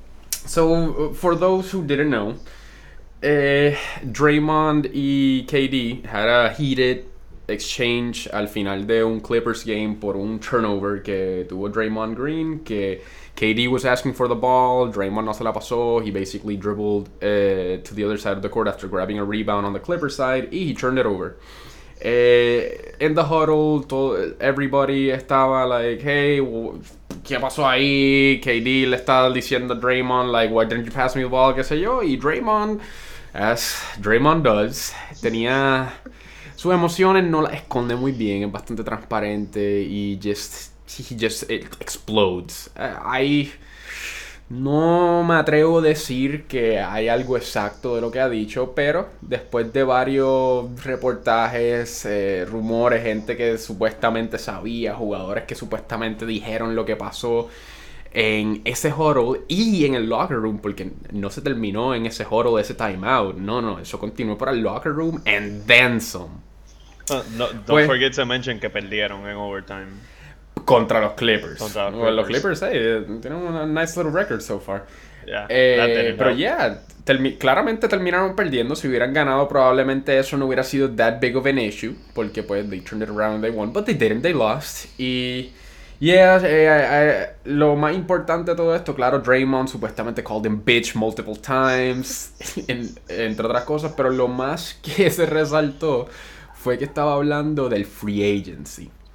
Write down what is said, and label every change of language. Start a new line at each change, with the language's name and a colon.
English: So, for those who didn't know, Draymond y KD had a heated exchange
Spanish: al final de un
English: Clippers game
Spanish: por un turnover que tuvo Draymond Green, que
English: KD was asking for the ball,
Spanish: Draymond no se la pasó,
English: he basically dribbled to the other side of the court after grabbing a rebound on the Clippers side, y he turned it over. In the huddle, everybody estaba like, hey,
Spanish: ¿qué pasó ahí?
English: KD le estaba diciendo a Draymond, like, why didn't you pass me the ball?
Spanish: Qué sé yo, y Draymond,
English: as Draymond does,
Spanish: tenía sus emociones, no las esconde muy bien, es bastante transparente, y
English: he just it explodes.
Spanish: I no me atrevo a decir que hay algo exacto de lo que ha dicho, pero después de varios reportajes, rumores, gente que supuestamente sabía, jugadores que supuestamente dijeron lo que pasó en ese huddle y en el locker room, porque no se terminó en ese huddle, ese timeout. No, eso continuó para el locker room
English: and then some. Don't forget to mention
Spanish: que perdieron en overtime. Contra los Clippers.
English: Well, los Clippers, hey,
Spanish: tienen un
English: nice little record so far. Yeah,
Spanish: pero claramente terminaron perdiendo. Si hubieran ganado, probablemente eso no hubiera sido
English: that big of an issue,
Spanish: porque pues
English: they turned it around and they won, but they didn't, they lost.
Spanish: Y... yeah, lo más importante de todo esto, claro, Draymond supuestamente
English: called him bitch multiple times,
Spanish: entre otras cosas, pero lo más que se resaltó fue que estaba hablando del free agency.